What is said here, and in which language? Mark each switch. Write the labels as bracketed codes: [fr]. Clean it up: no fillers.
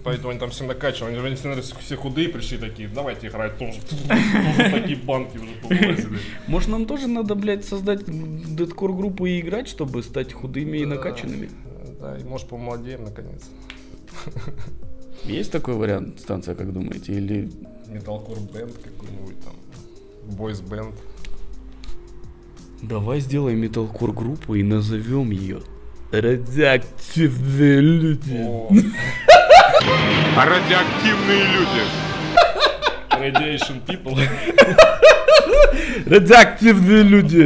[ru] Поэтому они там все накачивали. Они наверное, все худые пришли такие, давайте играть тоже. Такие банки уже повылазили. Может, нам тоже надо, блядь, создать дедкор-группу и играть, чтобы стать худыми и накачанными? Да, и может, помолодеем, наконец. Есть такой вариант, станция, как думаете, или... [en] Metalcore band [ru] какой-нибудь там, [en] boys band. [ru] Давай сделаем metalcore группу и назовем ее Радиоактивные люди. Радиоактивные люди. [en] Radiation people. [ru] Радиоактивные люди.